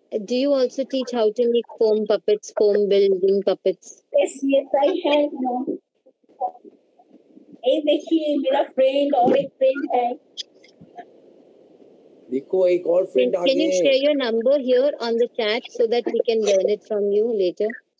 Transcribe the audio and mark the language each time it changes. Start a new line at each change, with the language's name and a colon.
English: Do you also teach how to make foam puppets, foam building puppets? Yes, yes, I have.
Hindi: ए देखिए मेरा friend और एक friend है। देखो एक और friend आ गया।
English: Can you share your number here on the chat so that we can learn it from you later?